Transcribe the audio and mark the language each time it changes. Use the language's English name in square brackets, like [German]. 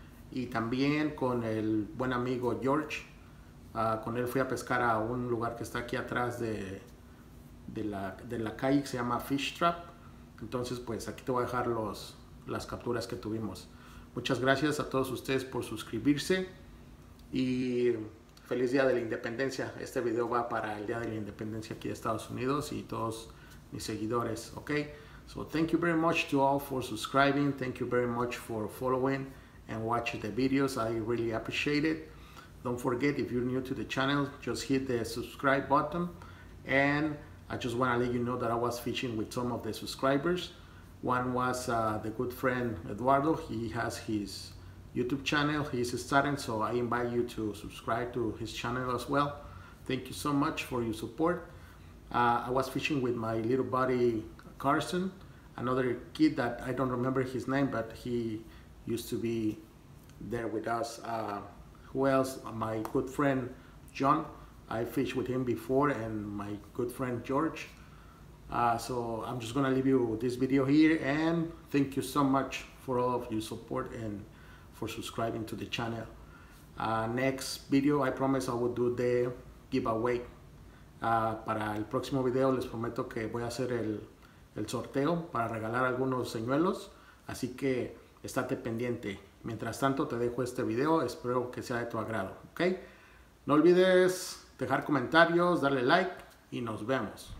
[Spanish] Y también con el buen amigo George. Con él fui a pescar a un lugar que está aquí atrás de la calle, que se llama Fish Trap. Entonces pues aquí te voy a dejar las capturas que tuvimos. Muchas gracias a todos ustedes por suscribirse y feliz Día de la Independencia. Este video va para el Día de la Independencia aquí de Estados Unidos y todos mis seguidores, ok. [English] So thank you very much to all for subscribing, thank you very much for following and watching the videos. I really appreciate it. Don't forget, if you're new to the channel, just hit the subscribe button. And I just want to let you know that I was fishing with some of the subscribers. One was the good friend Eduardo. He has his YouTube channel. He's starting, so I invite you to subscribe to his channel as well. Thank you so much for your support. I was fishing with my little buddy Carson, another kid that I don't remember his name, but he used to be there with us. Who else? My good friend John. I fished with him before, and my good friend George. So I'm just gonna leave you this video here, and thank you so much for all of your support and for subscribing to the channel. Next video, I promise I will do the giveaway. [Spanish] Para el próximo video les prometo que voy a hacer el sorteo para regalar algunos señuelos, así que estate pendiente. Mientras tanto te dejo este video, espero que sea de tu agrado, ¿ok? No olvides dejar comentarios, darle like y nos vemos.